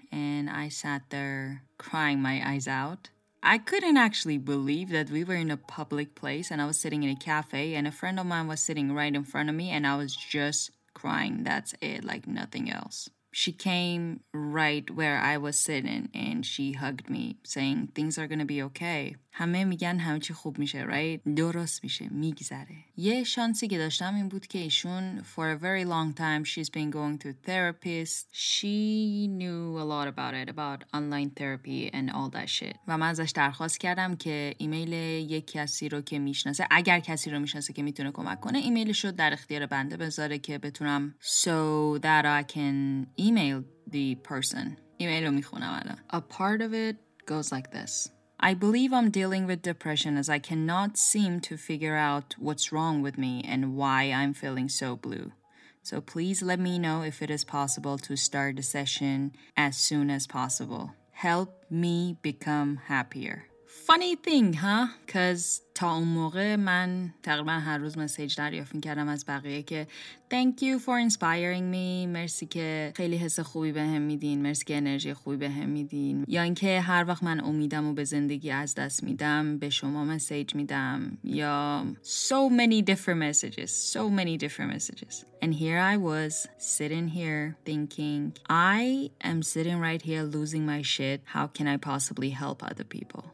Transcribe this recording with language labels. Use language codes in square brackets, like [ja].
[en] and I sat there crying my eyes out. I couldn't actually believe that we were in a public place and I was sitting in a cafe and a friend of mine was sitting right in front of me and I was just crying. That's it, like nothing else. She came right where I was sitting and she hugged me saying things are gonna be okay. [fa] همه میگن همه چی خوب میشه, right? درست میشه, میگذره. یه شانسی که داشتم این بود که ایشون [en] for a very long time she's been going to therapist. She knew a lot about it, about online therapy and all that shit. [fa] و من ازش درخواست کردم که ایمیل یک کسی رو که میشناسه, اگر کسی رو میشناسه که میتونه کمک کنه, ایمیلش رو در اختیار بنده بذاره که بتونم [en] so that I can email the person. [fa] ایمیل رو میخونم الان. [en] A part of it goes like this. I believe I'm dealing with depression as I cannot seem to figure out what's wrong with me and why I'm feeling so blue. So please let me know if it is possible to start a session as soon as possible. Help me become happier. Funny thing, huh? [fa] Because تا اون موقع من تقریبا هر روز مسیج دریافت میکردم از بقیه که [en] thank you for inspiring me, [fa] مرسی که خیلی حس خوبی به هم میدین, مرسی که انرژی خوبی به هم میدین, یا اینکه هر وقت من امیدم و به زندگی از دست میدم به شما مسیج میدم, یا [en] so many different messages. And here I was sitting here thinking I am sitting right here losing my shit, how can I possibly help other people.